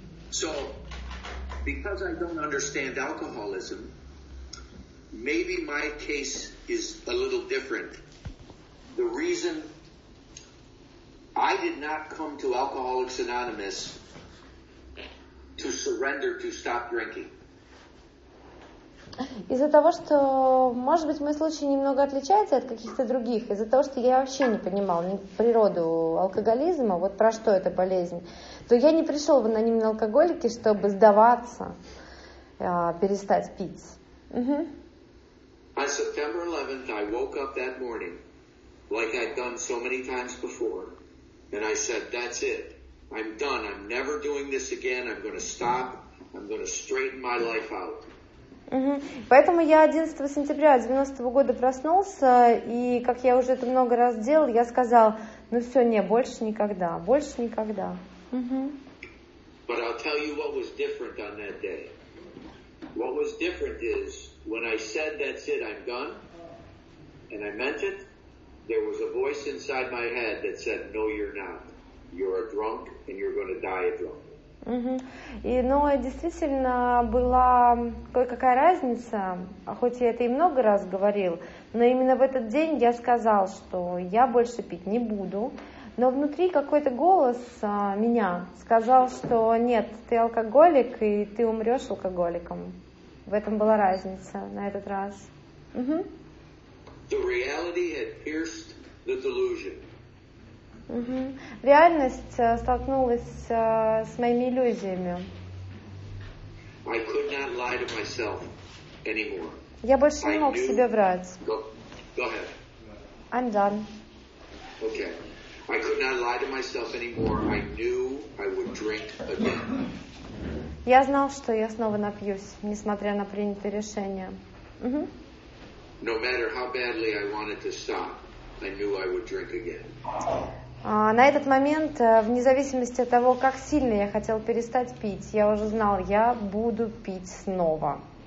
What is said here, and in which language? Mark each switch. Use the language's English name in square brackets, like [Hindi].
[English] So, because I don't understand alcoholism, maybe my case is a little different. The reason I did not come to Alcoholics Anonymous to surrender to stop drinking. [Russian] Из-за того, что, может быть, мой случай немного отличается от каких-то других, из-за того, что я вообще не понимал ни природу алкоголизма, вот про что эта болезнь, то я не пришел в анонимные алкоголики, чтобы сдаваться, перестать пить. [English] On September 11th, I woke up that morning, like I'd done so many times before, and I said, that's it, I'm done, I'm never doing this again, I'm going to stop, I'm going to straighten my life out. [Russian] Поэтому я 11 сентября 90-го года проснулся, и, как я уже это много раз делал, я сказал, ну все, не, больше никогда, больше никогда. [English] But I'll tell you what was different on that day. What was different is, when I said, that's it, I'm done, and I meant it, there was a voice inside my head that said, no, you're not. You're a drunk, and you're going to die a drunk. [Russian] И, ну, действительно, была кое-какая разница, хоть я это и много раз говорил, но именно в этот день я сказал, что я больше пить не буду, но внутри какой-то голос меня сказал, что нет, ты алкоголик, и ты умрешь алкоголиком. В этом была разница на этот раз. [English] The reality had pierced the delusion. [Russian] Реальность столкнулась с моими иллюзиями. [English] I could not lie to myself anymore. [Russian] Я больше не мог себе врать. [English] Go ahead. I'm done. Okay. I could not lie to myself anymore. I knew I would drink again. [Russian] Я знал, что я снова напьюсь, несмотря на принятое решение. [English] No matter how badly I wanted to stop, I knew I would drink again. [Russian] На этот момент, вне зависимости от того, как сильно я хотел перестать пить, я уже знал, я буду пить снова.